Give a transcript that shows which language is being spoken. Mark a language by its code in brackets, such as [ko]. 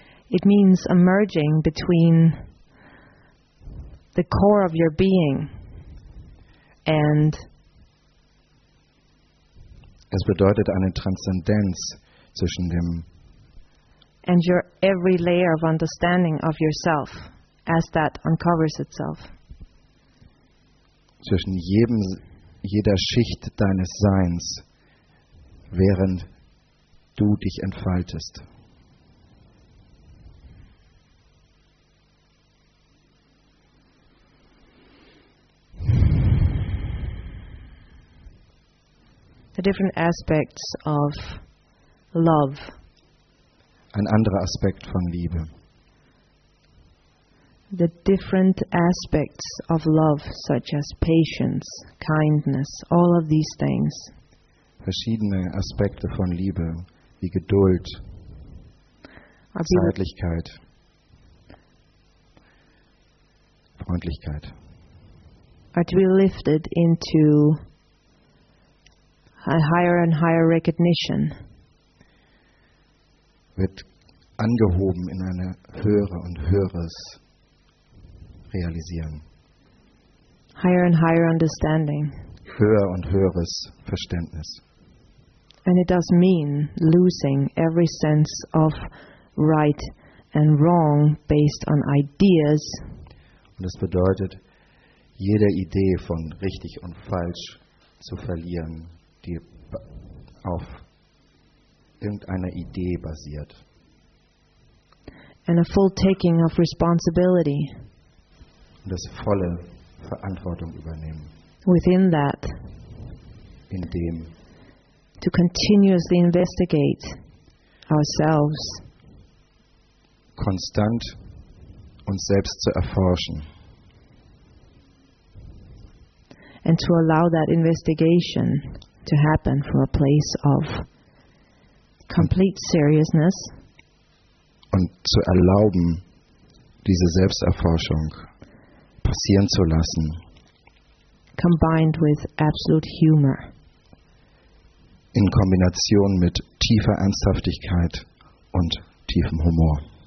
[en] It means emerging between the core of your being and. [de] Es bedeutet eine Transzendenz zwischen dem. [en] And your every layer of understanding of yourself as that uncovers itself. [de] Zwischen jeder Schicht deines Seins, während du dich entfaltest. [en] The different aspects of love. [de] Ein anderer Aspekt von Liebe. [en] The different aspects of love, such as patience, kindness, all of these things. [de] Verschiedene Aspekte von Liebe, wie Geduld, Zärtlichkeit, Freundlichkeit. [en] Are to be lifted into a higher and higher recognition. [de] Wird angehoben in eine höhere und höheres Realisieren. [en] Higher and higher understanding. [de] Höher und höheres Verständnis. [en] And it does mean losing every sense of right and wrong based on ideas. [de] Und es bedeutet, jede Idee von richtig und falsch zu verlieren, die auf irgendeiner Idee basiert. [en] And a full taking of responsibility. [de] Das volle Verantwortung übernehmen. [en] Within that. [de] In dem. [en] To continuously investigate ourselves. [de] Konstant uns selbst zu erforschen. [en] And to allow that investigation to happen from a place of complete seriousness. [de] Und zu erlauben, diese Selbsterforschung passieren zu lassen. [en] Combined with absolute humor. [de] In Kombination mit tiefer Ernsthaftigkeit und tiefem Humor.